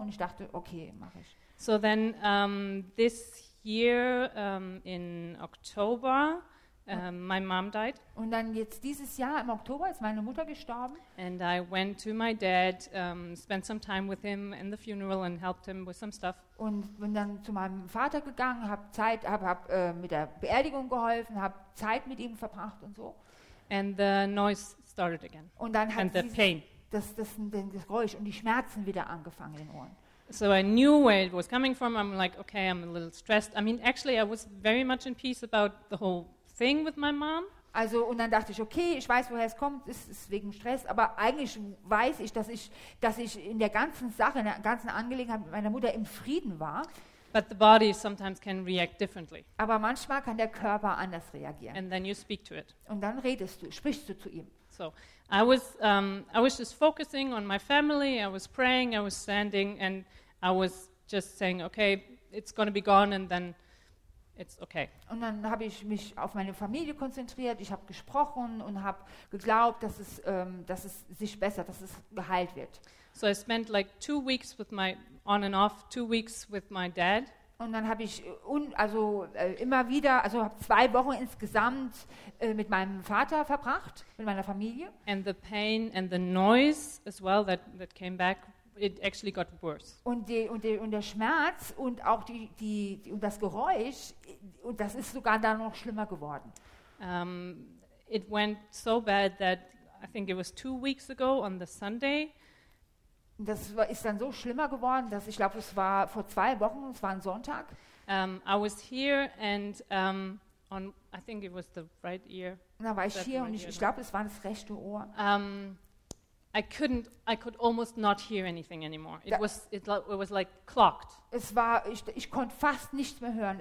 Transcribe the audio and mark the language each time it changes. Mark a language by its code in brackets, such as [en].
[de] Und ich dachte, okay, mache ich. [en] So then this year in October, my mom died. [de] Und dann jetzt dieses Jahr im Oktober ist meine Mutter gestorben. [en] And I went to my dad, spent some time with him in the funeral and helped him with some stuff. [de] Und bin dann zu meinem Vater gegangen, hab mit der Beerdigung geholfen, hab Zeit mit ihm verbracht und so. [en] And the noise started again. [de] Und dann hat [en] and the pain. [de] Das Geräusch und die Schmerzen wieder angefangen in den Ohren. [en] So I knew where it was coming from. I'm like, okay, I'm a little stressed. I mean, actually, I was very much in peace about the whole thing with my mom. [de] Also, und dann dachte ich, okay, ich weiß, woher es kommt, es ist wegen Stress, aber eigentlich weiß ich, dass ich in der ganzen Sache, in der ganzen Angelegenheit mit meiner Mutter im Frieden war. [en] But the body sometimes can react differently. [de] Aber manchmal kann der Körper anders reagieren. [en] And then you speak to it. [de] Und dann sprichst du zu ihm. [en] So, I was just focusing on my family. I was praying. I was standing, and I was just saying, okay, it's going to be gone, and then it's okay. [de] Und dann habe ich mich auf meine Familie konzentriert. Ich habe gesprochen und habe geglaubt, dass es geheilt wird. [en] So I spent like 2 weeks with my on and off 2 weeks with my dad. [de] Und dann habe ich immer wieder, also habe 2 Wochen insgesamt mit meinem Vater verbracht, mit meiner Familie. [en] And the pain and the noise as well that came back, it actually got worse. [de] Und der Schmerz und auch und das Geräusch, und das ist sogar dann noch schlimmer geworden. [en] It went so bad that I think it was 2 weeks ago on the Sunday. [de] Das ist dann so schlimmer geworden, dass ich glaube, es war vor 2 Wochen, es war ein Sonntag. [en] I was here and on, I think it was the right ear. [de] Na, war ich hier und ich glaube, es war das rechte Ohr. [en] I could almost not hear anything anymore. It was like clocked. [de] Es war, ich konnte fast nichts mehr hören.